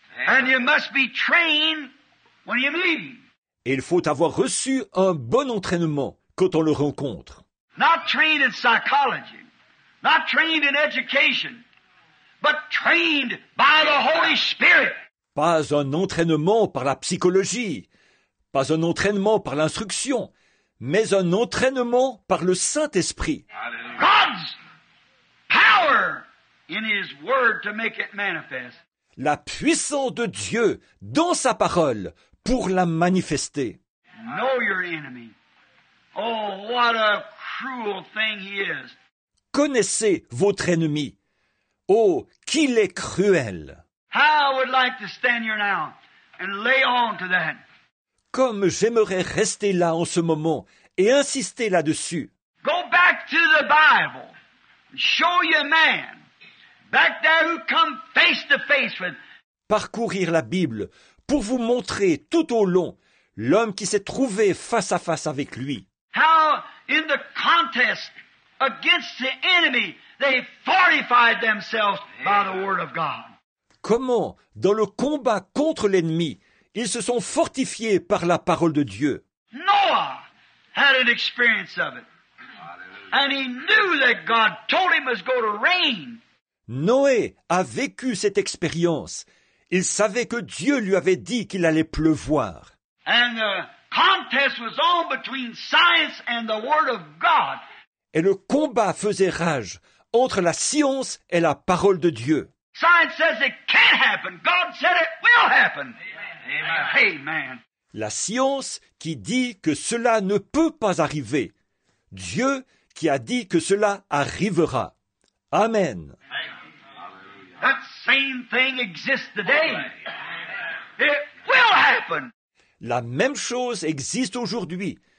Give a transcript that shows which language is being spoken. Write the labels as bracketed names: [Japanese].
[English] And you must be trained when you meet him. [French] Et il faut avoir reçu un bon entraînement quand on le rencontre. [English] Not trained in psychology, not trained in education, but trained by the Holy Spirit. [French] Pas un entraînement par la psychologie, pas un entraînement par l'instruction, mais un entraînement par le Saint-Esprit. [English] God's power in his word to make it manifest. [French] La puissance de Dieu dans sa parole pour la manifester. [English] Know your enemy. Oh, what a cruel thing he is. [French] Connaissez votre ennemi. Oh, qu'il est cruel. [English] How I would like to stand here now and lay on to that. [French] Comme j'aimerais rester là en ce moment et insister là-dessus. [English] Go back to the Bible. Show your man. Back there who come face to face with. [French] Parcourir la Bible pour vous montrer tout au long l'homme qui s'est trouvé face à face avec lui. [English] How in the contest against the enemy they fortified themselves by the word of God. [French] Comment dans le combat contre l'ennemi ils se sont fortifiés par la parole de Dieu. [English] Noah had an experience of it. And he knew that God told him he was going to reign. [French] Noé a vécu cette expérience. Il savait que Dieu lui avait dit qu'il allait pleuvoir. [English] And the contest was on between science and the word of God. [French] Et le combat faisait rage entre la science et la parole de Dieu. [English] Science says it can't happen. God said it will happen. Amen. Amen. [French] La science qui dit que cela ne peut pas arriver. Dieu qui a dit que cela arrivera. Amen. [English] That same thing exists today. It will happen. [French] La même chose existe aujourd'hui.